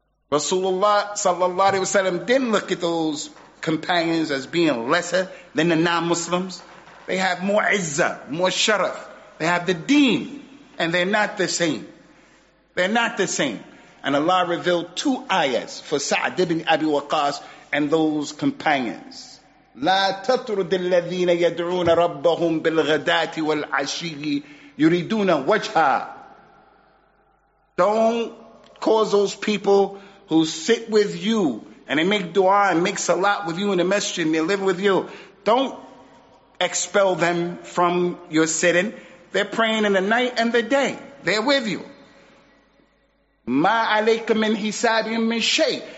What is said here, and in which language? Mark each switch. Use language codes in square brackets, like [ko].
[en] Rasulullah, sallallahu alayhi wa sallam, didn't look at those companions as being lesser than the non-Muslims. They have more izzah, more sharaf. They have the deen, and they're not the same. They're not the same. And Allah revealed two ayahs for Sa'd ibn Abi Waqqas and those companions. [ar] لا تطرد الذين يدعون ربهم بالغداة والعشي يريدون وجها. [en] Don't cause those people who sit with you and they make dua and make salat with you in the masjid and they live with you. Don't expel them from your sitting. They're praying in the night and the day. They're with you. [ar] ما عليك من حسابهم من شيء.